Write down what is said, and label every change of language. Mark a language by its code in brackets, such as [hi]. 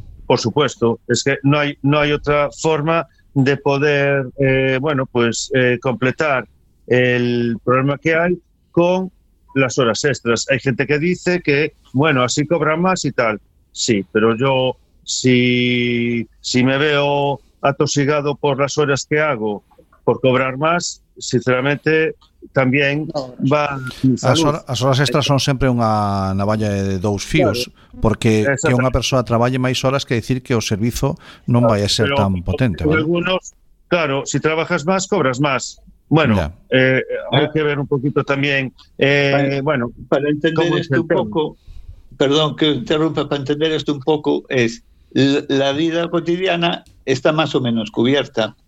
[es] Por supuesto, es que no hay otra forma de poder, completar el problema que hay con las horas extras. Hay gente que dice que, bueno, así cobran más y tal. Sí, pero yo, si me veo atosigado por las horas que hago por cobrar más, sinceramente, también va... [gl] As horas extras son sempre unha navalla de dous fíos, porque que unha persoa traballe máis horas que decir que o servizo non vai a ser tan potente. [es] ¿Vale? Algunos, claro, si trabajas más, cobras más. Bueno, hay que ver un poquito también... Para entender esto un poco... Perdón, que interrumpa, para entender esto un poco, es la vida cotidiana está más o menos cubierta.